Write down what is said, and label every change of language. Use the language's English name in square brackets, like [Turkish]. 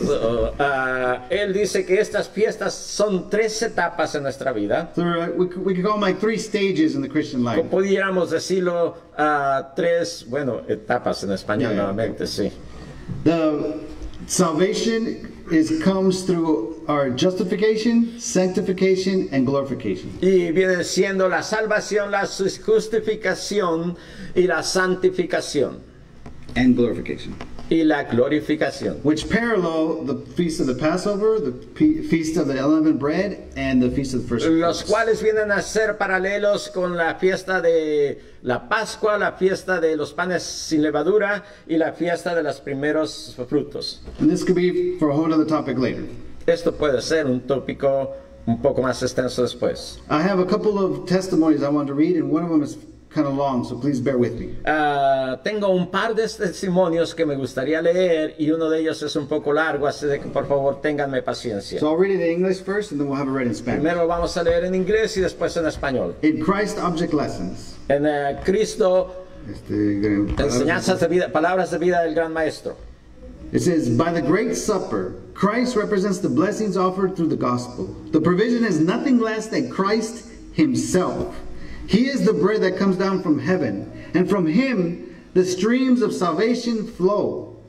[English] So, [Spanish] él dice que estas fiestas son tres etapas en nuestra vida. [English] So we could call them like three stages in the Christian life. [Spanish] O pudiéramos decirlo tres, bueno, etapas en español, yeah, nuevamente, okay. Sí. [English] The salvation comes through our justification, sanctification, and glorification. [Spanish] Y viene siendo la salvación, la justificación y la santificación. [English] And glorification. [Spanish] Y la glorificación. [English] Which parallel the feast of the Passover, the feast of the unleavened bread, and the feast of the first fruits. [Spanish] Los cuales vienen a ser paralelos con la fiesta de la Pascua, la fiesta de los panes sin levadura y la fiesta de los primeros frutos. [English] And this could be for a whole other topic later. [Spanish] Esto puede ser un tópico un poco más extenso después. [English] I have a couple of testimonies I want to read, and one of them is kind of long, so please bear with me. [Spanish] Tengo un par de testimonios que me gustaría leer, y uno de ellos es un poco largo, así que por favor ténganme paciencia. [English] So I'll read it in English first, and then we'll have it read in Spanish. [Spanish] Primero vamos a leer en inglés y después en español. [English] In Christ Object Lessons. [Spanish] En Cristo. Enseñanzas de vida, palabras de vida del gran maestro. [English] It says, by the Great Supper, Christ represents the blessings offered through the gospel. The provision is nothing less than Christ himself. He is the bread that comes down from heaven, and from him the streams of salvation flow.